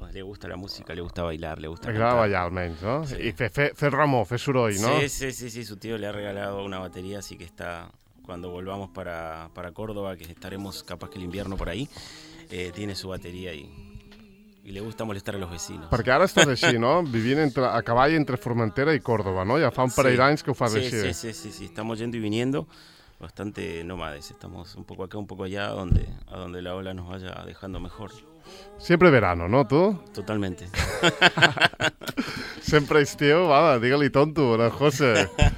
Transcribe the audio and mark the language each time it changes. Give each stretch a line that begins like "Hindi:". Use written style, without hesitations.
Spanish: Le gusta la música, le gusta bailar, le gusta cantar. Bailar, al menos, ¿no? Sí. Y
Catalan: fer ramo, fer soroll,
Spanish: ¿no? Sí. Su tío le ha regalado una batería, así que está... Cuando volvamos para Córdoba, que estaremos capaz que el invierno por ahí, tiene su batería ahí. Y le gusta molestar a los vecinos.
Catalan: Perquè ara estàs així, no? Vivint a cavall entre Formentera i Córdoba, no? Ja fa un parell d'anys que ho fas així.
Spanish: Sí. Estamos yendo y viniendo. bastante nómades. Estamos un poco acá, un poco allá, a donde la ola nos vaya dejando mejor. Siempre verano, ¿no? ¿Tú? Totalmente. Siempre es tío, va, dígale tonto, ¿no, José?